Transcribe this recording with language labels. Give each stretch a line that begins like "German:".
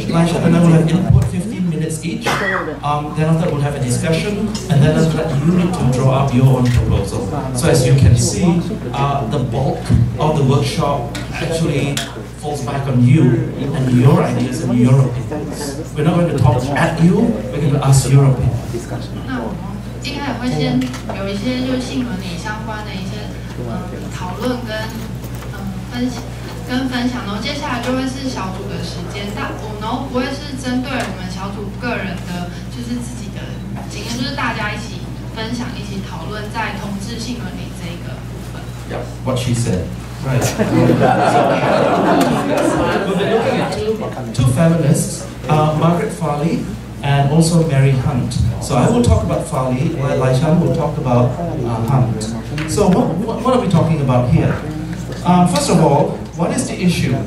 English: Laishan and I will have input, 15 minutes each. Then after that, we'll have a discussion, and then after that, you need to draw up your own proposal. So as you can see, the bulk of the workshop actually falls back on you and your ideas and your opinions. We're not going to talk at you. We're going to ask your opinion.
Chinese: 应该也会先有一些就是性伦理相关的一些讨论跟分析跟分享，然后接下来就会是小组的时间，但我们不会是针对我们小组个人的，就是自己的经验，就是大家一起分享、一起讨论在同质性伦理这一个部分。
English: Yeah, what she said. Right. Two feminists, Margaret Farley and also Mary Hunt. So I will talk about Farley, while Lai Chan will talk about Hunt. So what are we talking about here? First of all, what is the issue?